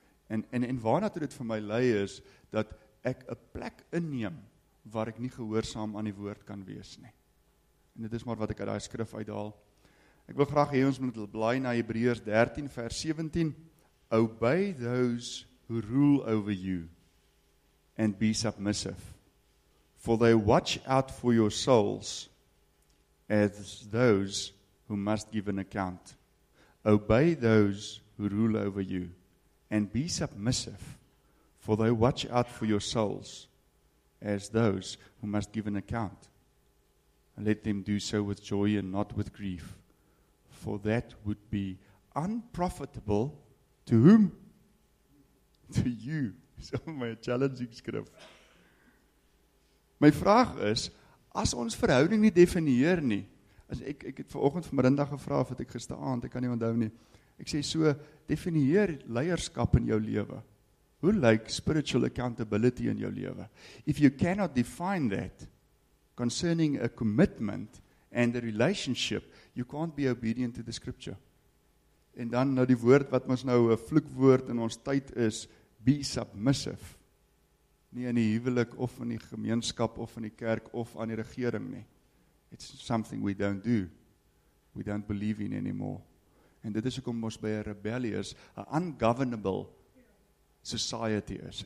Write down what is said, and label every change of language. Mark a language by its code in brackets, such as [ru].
[af] En waar natuur dit vir my lei is, dat ek 'n plek inneem, waar ek nie gehoorsaam aan die woord kan wees nie. En dit is maar wat ek uit die skrif uithaal. Ek wil graag hê ons moet blaai na Hebreërs 13 vers 17. [en] Obey those who rule over you, and be submissive. For they watch out for your souls, as those who must give an account. Obey those who rule over you, and be submissive, for they watch out for your souls, as those who must give an account. Let them do so with joy and not with grief, for that would be unprofitable to whom? To you. So my challenging script. [af] My vraag is, as ons verhouding nie definieer nie, as ek het vanoggend vir Marinda gevra, of het ek gisteraand, ek kan nie onthou nie, ek sê so, definieer leierskap in jou lewe. Hoe lyk [en] spiritual accountability [af] in jou lewe? [en] If you cannot define that concerning a commitment and a relationship, you can't be obedient to the scripture. [af] En dan nou die woord wat ons nou 'n vloekwoord in ons tyd is, [en] be submissive. [af] Nie in die huwelik of in die gemeenskap of in die kerk of aan die regering nie. [en] It's something we don't do. We don't believe in anymore. [af] En dit is hoekom ons by 'n [en] rebellious, [af] 'n [en] ungovernable society [af] is.